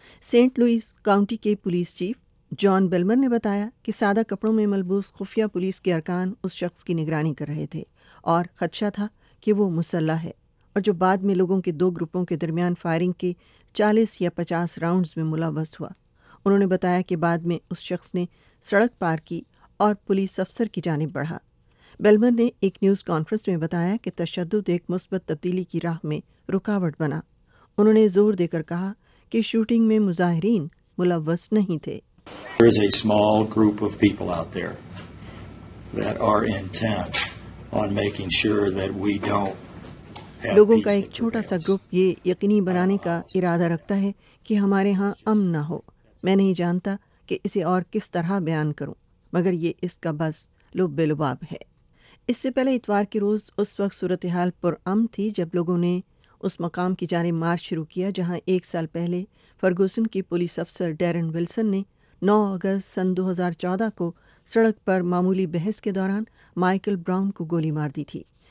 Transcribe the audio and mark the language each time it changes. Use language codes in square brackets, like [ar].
[ur] Saint Louis county کے police chief جان بیلمر نے بتایا کہ سادہ کپڑوں میں ملبوس خفیہ پولیس کے ارکان اس شخص کی نگرانی کر رہے تھے اور خدشہ تھا کہ وہ مسلح ہے اور جو بعد میں لوگوں کے 2 گروپوں کے درمیان فائرنگ کے 40 یا 50 راؤنڈز میں ملوث ہوا۔ انہوں نے بتایا کہ بعد میں اس شخص نے سڑک پار کی اور پولیس افسر کی جانب بڑھا۔ بیلمر نے ایک نیوز کانفرنس میں بتایا کہ تشدد ایک مثبت تبدیلی کی راہ میں رکاوٹ بنا۔ انہوں نے زور دے کر کہا کہ شوٹنگ میں مظاہرین ملوث نہیں تھے۔ [en] There is a small group of people out there that are intent on making sure that we don't have [ur] لوگوں کا ایک چھوٹا سا گروپ یہ یقینی بنانے کا ارادہ رکھتا ہے کہ ہمارے ہاں امن نہ ہو۔ میں نہیں جانتا کہ اسے اور کس طرح بیان کروں مگر یہ اس کا بس لب لباب ہے۔ اس سے پہلے اتوار کے روز اس وقت صورتحال پر امن تھی جب لوگوں نے اس مقام کی جانب مارچ شروع کیا جہاں ایک سال پہلے فرگوسن کی پولیس افسر ڈیرن ویلسن نے 9 اگست 2014 کو سڑک پر معمولی بحث کے دوران مائیکل براؤن کو گولی مار دی تھی۔